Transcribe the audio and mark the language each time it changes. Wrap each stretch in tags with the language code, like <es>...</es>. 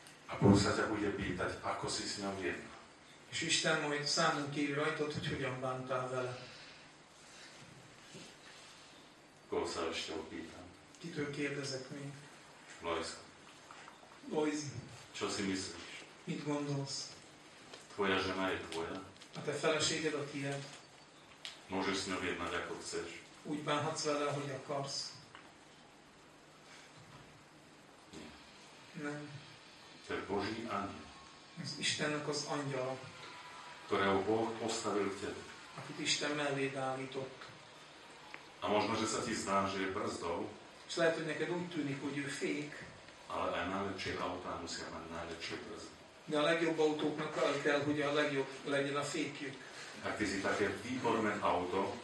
<sk>A Búsa ťa bude pýtať, ako si s ňom jedná.</sk> <hu>És Isten majd számon kívül rajtad, hogy hogyan bántál vele.</hu> <sk>Koho sa ešte opýtam?</sk> <hu>Kitől kérdezek még?</hu> <sk>Lojzka.</sk> <hu>Lojzi.</hu> <sk>Čo si myslíš?</sk> <hu>Mit gondolsz?</hu> <sk>Tvoja žena je tvoja.</sk> <hu>A te feleséged a tiéd.</hu> <sk>Môžeš s ňom jednať, ako chceš.</sk> <hu>Úgy bánhatsz vele, hogy akarsz.</hu> <sk>Nie.</sk> <hu>Nem.</hu> <sk>To je Boží anjel.</sk> <hu>Ez Istennek az angyala.</hu> <sk>Ktorého Boh postavil v tebe.</sk> <hu>Akit Isten melléd állított.</hu> <sk>A možno, že sa ti zdá, že je brzdou.</sk> <hu>És lehet, hogy neked úgy tűnik, hogy ő fék.</hu> <sk>Ale aj najlepšie autá musia mať najlepšie brzdy.</sk> <hu>De a legjobb autóknak el kell, hogy a legjobb legyen a fékjük.</hu> <sk>Ak ty si také výborné auto.</sk>